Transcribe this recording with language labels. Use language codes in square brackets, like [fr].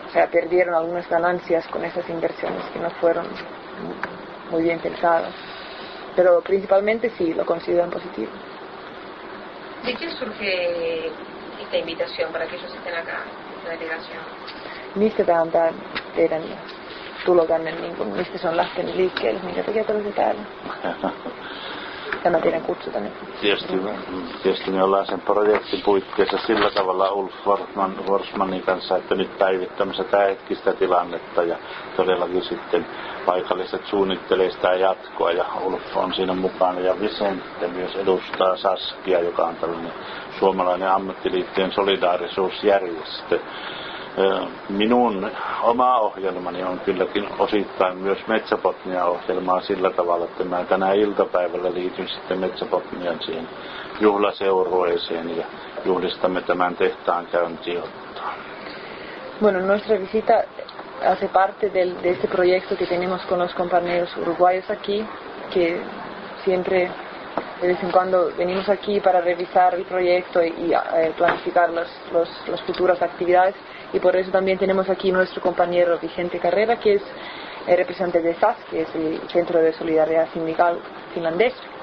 [es] perdieron algunas ganancias con esas inversiones que no fueron muy bien pensadas. Pero principalmente sí, lo consideran positivo. ¿De qué surge esta invitación para que ellos estén acá, la delegación? [fi] Niistä tämän teidän tulo tänne, niin kuin, mistä se on lähtenyt liikkeelle, minkä takia te olette täällä. Tämä teidän kutsu tänne. Tietysti me ollaan sen projektin puitteissa sillä tavalla Ulf Horsmanin kanssa, että nyt päivittämässä tämä hetkistä tilannetta, ja todellakin sitten paikalliset suunnittelee sitä jatkoa, ja Ulf on siinä mukana, ja Vicente myös edustaa Saskia, joka on tällainen suomalainen ammattiliittojen solidaarisuusjärjestö. Minun oma ohjelmani on kylläkin osittain myös Metsäbotnia-ohjelmaa sillä tavalla, että mä tänä iltapäivällä liityn sitten Metsäbotnian siihen juhlaseurueeseen ja juhlistamme tämän tehtaan käyntiottoa. [es] Bueno, nuestra visita hace parte de este proyecto que tenemos con los compañeros uruguayos aquí, que siempre de vez en cuando venimos aquí para revisar el proyecto y planificar las futuras actividades, y por eso también tenemos aquí nuestro compañero Vicente Carrera, que es el representante de SAS, que es el Centro de Solidaridad Sindical Finlandés.